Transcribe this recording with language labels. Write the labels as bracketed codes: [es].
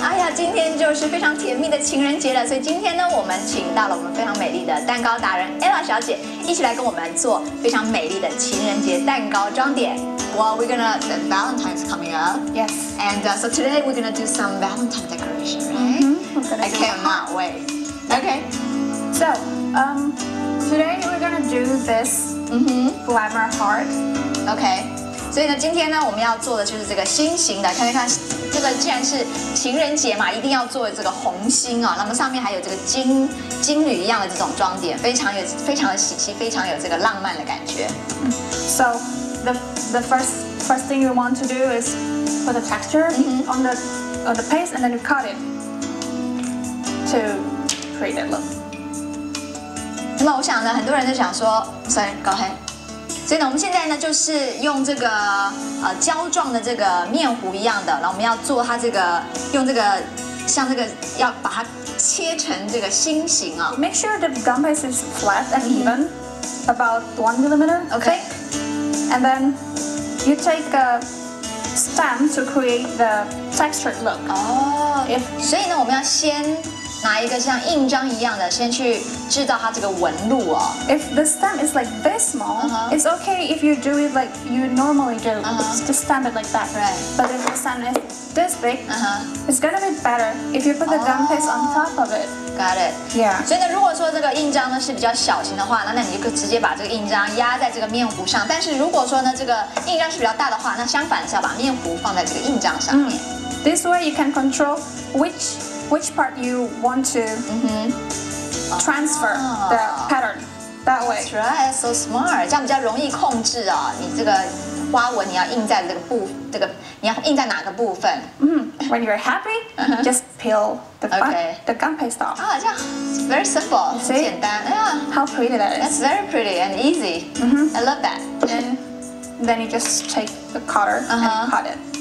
[zh] 哎呀，今天就是非常甜蜜的情人节了，所以今天呢，我们请到了我们非常美丽的蛋糕达人 Ella 小姐，一起来跟我们做非常美丽的情人节蛋糕装点。 [en] Well, we're gonna, the Valentine's coming up. Yes. And、so today we're gonna do some Valentine decoration, right? Mm-hmm. I cannot wait. Okay. So, today we're gonna do this、glamour heart. Okay. [zh] 所以呢，今天呢，我们要做的就是这个心形的，看一看，这个既然是情人节嘛，一定要做这个红心啊、哦。那么上面还有这个金缕一样的这种装点，非常的喜气，非常有这个浪漫的感觉。 [en] So the first thing you want to do is put the texture、on the paste and then you cut it to create it look. [zh] 那么我想呢，很多人就想说 ， [en] Sorry, go ahead. [zh] 所以呢，我们现在呢就是用这个胶状的这个面糊一样的，然后我们要做它这个用这个像这个要把它切成这个心形啊。 [en] Make sure the gumpaste is flat and even, about 1 millimeter. Okay. And then you take a stamp to create the textured look. [zh] 哦、所以呢，我们要先拿一个像印章一样的，先去制造它这个纹路哦。 [en] If the stamp is like this small,、it's okay if you do it like you normally do,、just stamp it like that. Right. But if the stamp is this big,、it's gonna be better if you put the gumpaste on top of it. Got it. Yeah. [zh] 所以呢，如果说这个印章呢是比较小型的话，那你就直接把这个印章压在这个面糊上。但是如果说呢这个印章是比较大的话，那相反是要把面糊放在这个印章上面。 [en] This way you can control which part you want to、transfer the pattern that way. That's right, so smart. [zh] 这样比较容易控制啊、哦。你这个花纹你要印在这个部，这个你要印在哪个部分？ [en] When you're happy, just peel the the gumpaste off. [zh] 啊，这样 [en] very simple, [zh] 很简单。 [en] Yeah. How pretty that is. That's very pretty and easy.、I love that. Then you just take the cutter、and cut it.